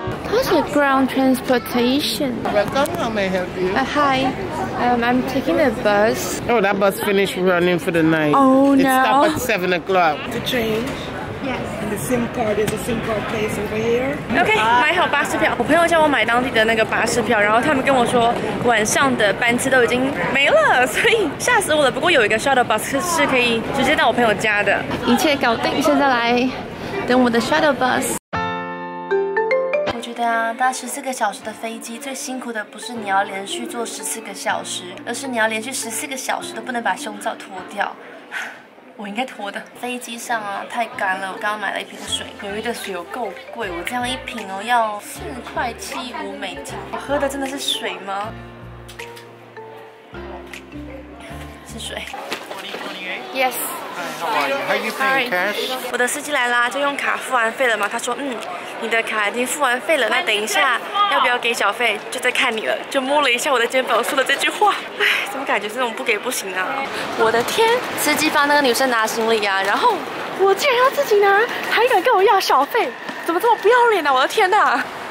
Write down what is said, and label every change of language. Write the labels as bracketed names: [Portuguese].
[English] What's your ground transportation? Welcome, how may I help you? Hi, I'm taking a bus. Oh, that bus finished running for the night. Oh, no. It stopped at 7 o'clock. To change? Yes. SIM card place over here. [Chinese] OK, 买好巴士票。我朋友叫我买当地的那个巴士票，然后他们跟我说晚上的班次都已经没了，所以吓死我了。不过有一个 shuttle bus 是可以直接到我朋友家的。一切搞定，现在来等我的 shuttle bus。对啊，搭14个小时的飞机，最辛苦的不是你要连续坐14个小时，而是你要连续14个小时都不能把胸罩脱掉。我应该脱的。飞机上啊，太干了，我刚刚买了一瓶水，纽约的水有够贵，我这样一瓶哦要4.75美金。我喝的真的是水吗？是水。 [English] Yes. Hi, how are you? How are you paying cash? [Chinese] 我的司机来啦，就用卡付完费了吗？他说，你的卡已经付完费了，那等一下要不要给小费，就在看你了。就摸了一下我的肩膀，说了这句话。唉，怎么感觉这种不给不行啊？我的天，司机帮那个女生拿行李啊，然后我竟然要自己拿，还敢跟我要小费，怎么这么不要脸呢？我的天哪！